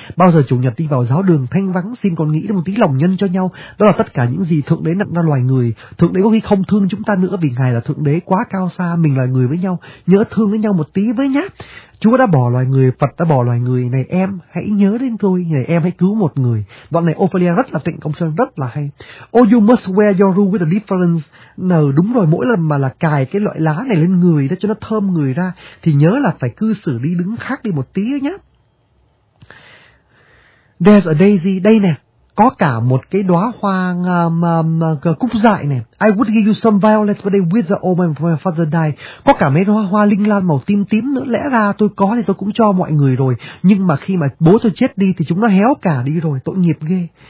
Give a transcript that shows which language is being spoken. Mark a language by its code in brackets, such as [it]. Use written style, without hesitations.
[vi] Bao giờ chủ nhật đi vào giáo đường thanh vắng xin còn nghĩ đến một tí lòng nhân cho nhau, đó là tất cả những gì thượng đế nặng ra loài người. Thượng đế có khi không thương chúng ta nữa vì ngài là thượng đế quá cao xa, mình là người với nhau, nhớ thương với nhau một tí với nhá. Chúa đã bỏ loài người, Phật đã bỏ loài người, này em hãy nhớ đến tôi, này em hãy cứu một người. Đoạn này Ophelia rất là Trịnh Công Sơn, rất là hay. [en] Oh, you must wear your rule with a difference. [vi] No, đúng rồi, mỗi lần mà là cài cái loại lá này lên người đó cho nó thơm người ra thì nhớ là phải cư xử đi đứng khác đi một tí nhá. [en] There's a daisy, [vi] đây nè, có cả một cái đóa hoa cúc dại này. [en] I would give you some violets but they wither old when my father died. [vi] Có cả mấy đóa hoa linh lan màu tím tím nữa, lẽ ra tôi có thì tôi cũng cho mọi người rồi, nhưng mà khi mà bố tôi chết đi thì chúng nó héo cả đi rồi, tội nghiệp ghê.